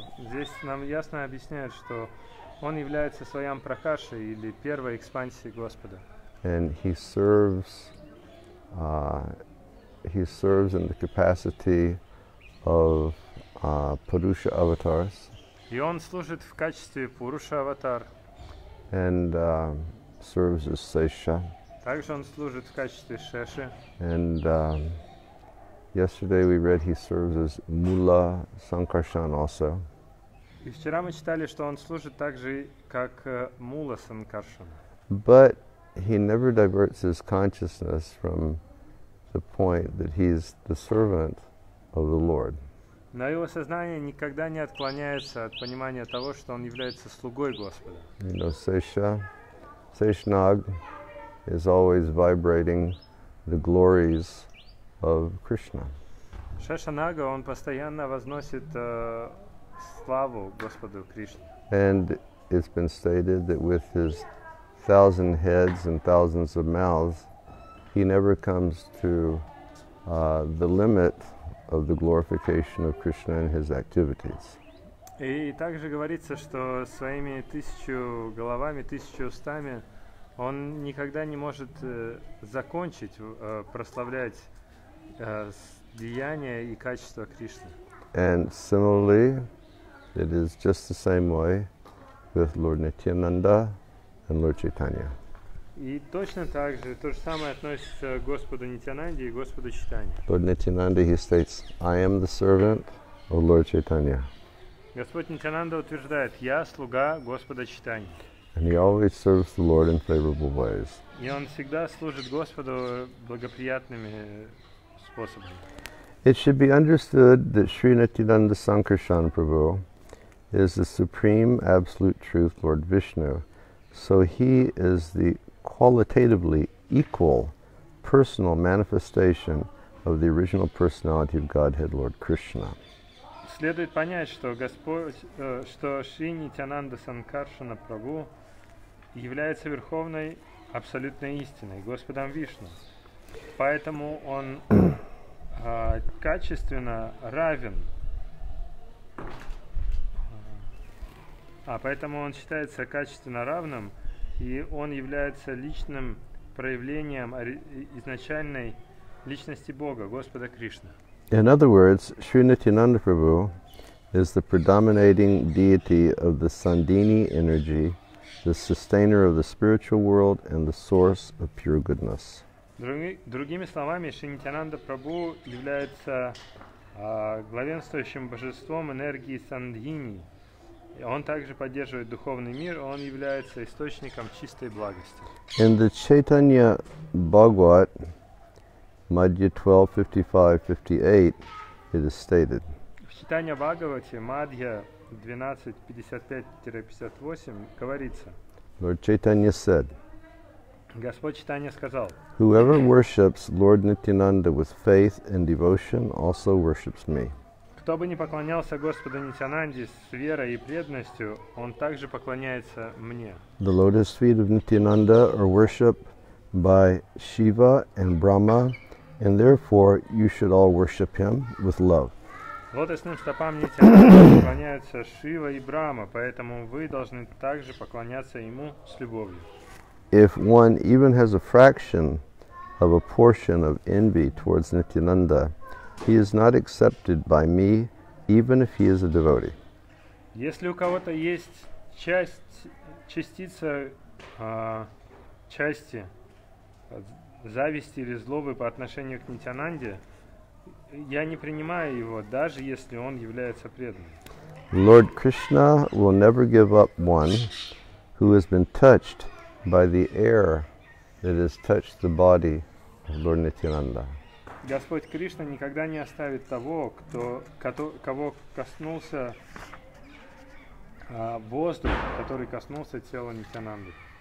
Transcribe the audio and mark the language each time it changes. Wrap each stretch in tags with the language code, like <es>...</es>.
<ru>Здесь нам ясно объясняют, что он является своим Пракаши или первой экспансией Господа.</ru> <en>And he serves in the capacity of Purusha avatars.</en> <ru>И он служит в качестве Пуруша аватар.</ru> <en>And serves as Сеша.</en> <ru>Также он служит в качестве Шеши.</ru> <en>And yesterday we read he serves as Mula Sankarshan also.</en> <ru>И вчера мы читали, что он служит также как Мула Санкаршана.</ru> <en>But he never diverts his consciousness from the point that he's the servant of the Lord.</en> <ru>Но его сознание никогда не отклоняется от понимания того, что он является слугой Господа.</ru> <en>You know, Sesha, Seshnag is always vibrating the glories of Krishna.</en> <ru>Шешанага, он постоянно возносит славу Господу Кришне.</ru> <en>And it's been stated that with his thousand heads and thousands of mouths, he never comes to the limit of the glorification of Krishna and his activities.</en> <ru>И также говорится, что своими тысячу головами, тысячу устами, он никогда не может закончить прославлять деяния и качества Кришны.</ru> <en>And similarly, it is just the same way with Lord Nityananda and Lord Chaitanya.</en> <ru>И точно так же, то же самое относится к Господу Нитянанде и Господу Чайтанье.</ru> <en>Lord Nityananda, he states, I am the servant of Lord Chaitanya.</en> <ru>Господь Нитянанда утверждает, я слуга Господа Чайтанье.</ru> <en>And he always serves the Lord in favorable ways.</en> <ru>И он всегда служит Господу благоприятными способами.</ru> <en>It should be understood that Sri Nityananda Sankarshan Prabhu is the supreme absolute truth, Lord Vishnu. So he is the qualitatively equal personal manifestation of the original personality of Godhead, Lord Krishna.</en> <ru>Следует понять, что Господь, что Шри Нитянанда Санкаршана Прабху является верховной абсолютной истиной, Господом Вишну. Поэтому он качественно равен. Поэтому он считается качественно равным, и он является личным проявлением изначальной личности Бога, Господа Кришны.</ru> <en>In other words, Sri Nityananda Prabhu is the predominating deity of the Sandini energy, the sustainer of the spiritual world and the source of pure goodness.</en> <ru>Другими словами, Шри Нитянанда Прабху является главенствующим божеством энергии Сандини. Он также поддерживает духовный мир, он является источником чистой благости.</ru> <en>In the Chaitanya Bhagavat, Madhya 12:55-58, it is stated.</en> <ru>В Чайтанья Бхагавате, Мадья 12:55-58, говорится.</ru> <en>Lord Chaitanya said,</en> <ru>Господь Чайтанья сказал,</ru> <en>Whoever worships Lord Nityananda with faith and devotion also worships me.</en> <ru>Кто бы не поклонялся Господу Нитянанде с верой и преданностью, он также поклоняется мне.</ru> <en>The lotus feet of Nityananda are worshipped by Shiva and Brahma, and therefore you should all worship him with love.</en> <ru>Лотосным стопам Нитянанды поклоняются Шива и Брахма, поэтому вы должны также поклоняться ему с любовью.</ru> <en>If one even has a fraction of a portion of envy towards Nityananda, he is not accepted by me, even if he is a devotee.</en> <ru>Если у кого-то есть часть, частица части зависти или злобы по отношению к Нитянанде, я не принимаю его, даже если он является преданным.</ru> <en>Lord Krishna will never give up one who has been touched by the air that has touched the body of Lord Nityananda.</en> <ru>Господь Кришна никогда не оставит того, кого коснулся воздух, который коснулся тела Нитянанды.</ru>